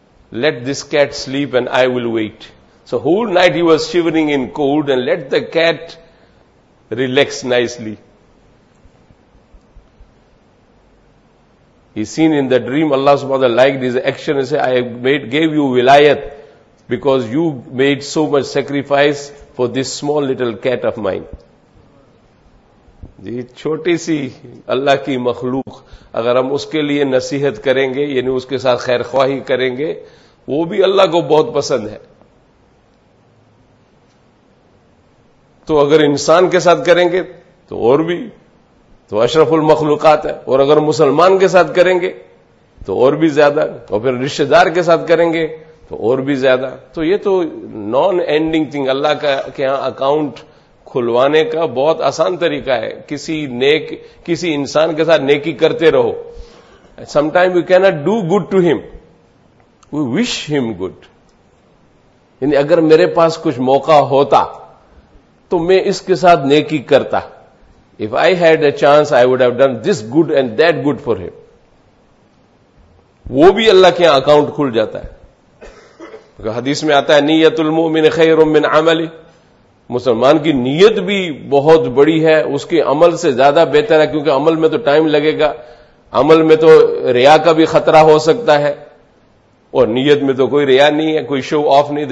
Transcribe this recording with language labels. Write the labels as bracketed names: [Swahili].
[English] Let this cat sleep and I will wait. So whole night he was shivering in cold and let the cat relax nicely. He seen in the dream Allah subhanahu wa ta'ala liked his action and said, I gave you wilayat because you made so much sacrifice for this small little cat of mine. [Urdu] جی چھوٹی سی اللہ کی مخلوق اگر ہم اس کے لیے نصیحت کریں گے یعنی اس کے ساتھ خیر خواہی کریں گے وہ بھی اللہ کو بہت پسند ہے تو اگر انسان کے ساتھ کریں گے تو اور بھی تو اشرف المخلوقات ہے. اور اگر مسلمان کے ساتھ کریں گے تو اور بھی زیادہ, اور پھر رشتہ دار کے ساتھ کریں گے تو اور بھی زیادہ. تو یہ تو [English] Non ending thing. [Urdu] اللہ کے یہاں اکاؤنٹ کھلوانے کا بہت آسان طریقہ ہے, کسی انسان کے ساتھ نیکی کرتے رہو. [English] Some time you can not do good to them, we wish them good. [Urdu] یعنی اگر میرے پاس کچھ موقع ہوتا تو میں اس کے ساتھ نیکی کرتا. [English] If I had a chance, I would have done this good and that good for him. [Urdu] وہ بھی اللہ کے یہاں اکاؤنٹ کھل جاتا ہے. حدیث میں آتا ہے [Arabic] نیت المؤمن خیر من عملہ, [Urdu] مسلمان کی نیت بھی بہت بڑی ہے, اس کے عمل سے زیادہ بہتر ہے. کیونکہ عمل میں تو ٹائم لگے گا, عمل میں تو ریا کا بھی خطرہ ہو سکتا ہے, اور نیت میں تو کوئی ریا نہیں ہے, کوئی شو آف نہیں.